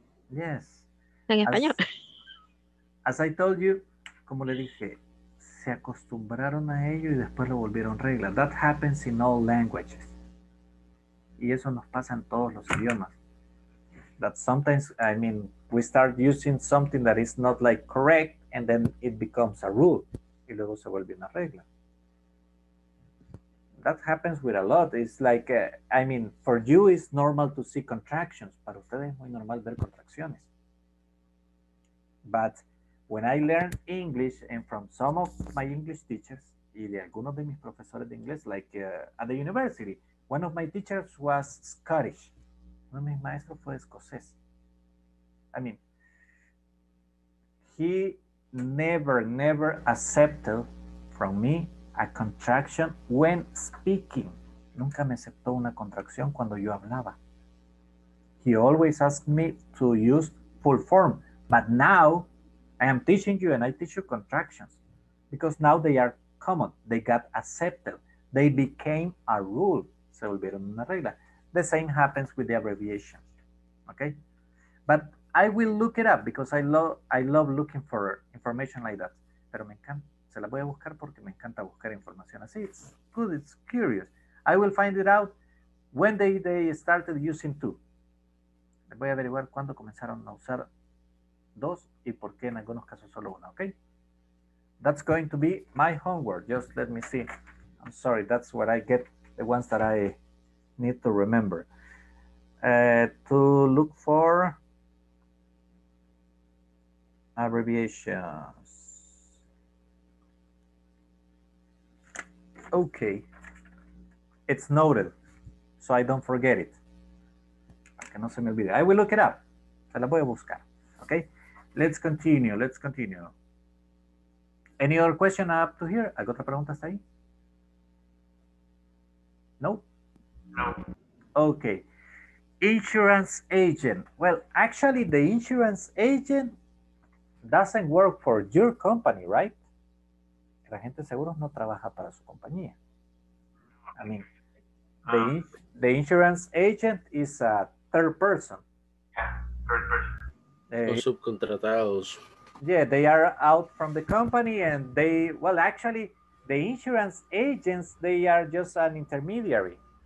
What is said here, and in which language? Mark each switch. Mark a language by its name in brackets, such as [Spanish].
[English] Yes. [Spanish] En español. [English] As I told you, [Spanish] como le dije, se acostumbraron a ello y después lo volvieron regla. [English] That happens in all languages. [Spanish] Y eso nos pasa en todos los idiomas. [English] That sometimes, I mean, we start using something that is not like correct and then it becomes a rule. [Spanish] Y luego se vuelve una regla. [English] That happens with a lot. It's like, I mean, for you it's normal to see contractions. [Spanish] Para ustedes es muy normal ver contracciones. [English] But when I learned English and from some of my English teachers [Spanish] y de algunos de mis profesores de inglés, [English] like at the university, one of my teachers was Scottish. [Spanish] Uno de mis maestros fue escocés. [English] I mean, he never accepted from me a contraction when speaking. [Spanish] Nunca me aceptó una contracción cuando yo hablaba. [English] He always asked me to use full form, but now I am teaching you and I teach you contractions because now they are common. They got accepted. They became a rule. [Spanish] Se volvieron una regla. [English] The same happens with the abbreviation. Okay? But I will look it up because I love looking for information like that. [Spanish] Pero me encanta. Se la voy a buscar porque me encanta buscar información así. [English] It's good. It's curious. I will find it out when they started using two. [Spanish] Les voy a averiguar cuándo comenzaron a usar dos y por qué en algunos casos solo una. [English] Okay? That's going to be my homework. Just let me see. I'm sorry. That's what I get. The ones that I need to remember. To look for abbreviations. Okay. It's noted. So I don't forget it. [Spanish] Que no se me olvide. [English] I will look it up. [Spanish] Se la voy a buscar. [English] Okay. Let's continue. Let's continue. Any other question up to here? [Spanish] ¿Alguna otra pregunta está ahí? [English] No? No. Okay. Insurance agent. Well, actually, the insurance agent doesn't work for your company, right? [Spanish] El agente de seguros no trabaja para su compañía. [English] I mean, the insurance agent is a third person. Yeah, third person. [Spanish] Los subcontratados. [English] Yeah, they are out from the company and they, well, actually, the insurance agents, they are just an intermediary.